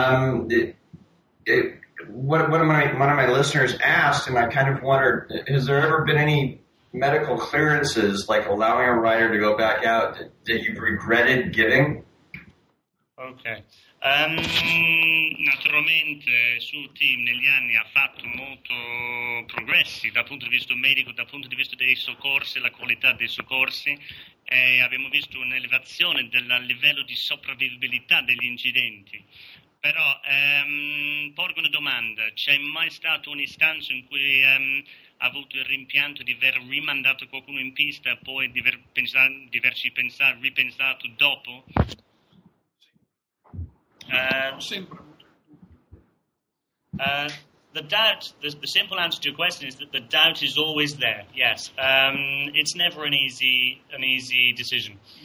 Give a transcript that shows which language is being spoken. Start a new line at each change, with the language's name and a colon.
English: One of my listeners asked, and I kind of wondered, has there ever been any medical clearances, like allowing a rider to go back out, that you've regretted giving? Okay.
Italian: Naturalmente sul team negli anni ha fatto molto progressi dal punto di vista medico, dal punto di vista dei soccorsi, la qualità dei soccorsi, e abbiamo visto un'elevazione del livello di sopravvivibilità degli incidenti. Però porgo una domanda, c'è mai stato un'istanza in cui ha avuto il rimpianto di aver rimandato qualcuno in pista e poi di averci ripensato dopo?
English: The simple answer to your question is that the doubt is always there. Yes, it's never an easy decision.